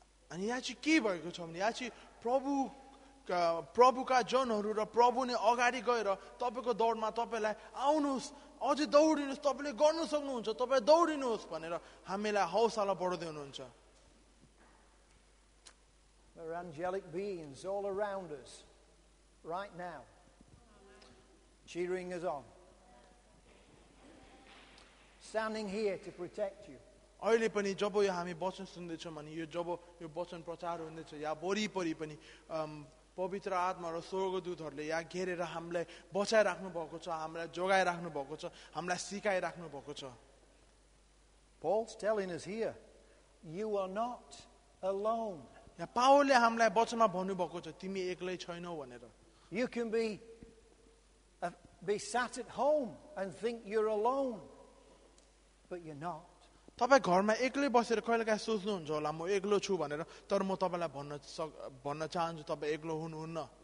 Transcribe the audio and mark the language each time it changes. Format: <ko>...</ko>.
<ne>And yahan chahi ke bhayeko chha bhane yahan chahi prabhu prabhuka janharu ra prabhu ne agadi gayera tapaiko daudma tapailai aunus अझै दौडिनुहोस् तपाईँले गर्नु सक्नुहुन्छ तपाईँ दौडिनुहोस् भनेर हामीलाई हौसला बढाउँदै हुनुहुन्छ</ne> <en>angelic beings all around us right now cheering us on standing here to protect you</en> <ne>अहिले पनि जब यो हामी वचन सुन्दैछौँ अनि यो जब यो वचन प्रचार हुँदैछ या वरिपरि पनि पवित्र आत्मा र स्वर्गदूतहरूले यहाँ घेरेर हामीलाई बचाइराख्नु भएको छ हामीलाई जोगाइराख्नु भएको छ हामीलाई सिकाइराख्नु भएको छ</ne> <en>Paul's telling us here, you are not alone.</en> <ne>यहाँ पावलले हामीलाई वचनमा भन्नुभएको छ तिमी एक्लै छैनौ भनेर</ne> <en>You can be sat at home and think you're alone, but you're not.</en> <ne>तपाईँ घरमा एक्लै बसेर कहिले काहीँ सोच्नुहुन्छ होला म एक्लो छु भनेर तर म तपाईँलाई भन्न चाहन्छु तपाईँ एक्लो हुनुहुन्न</ne>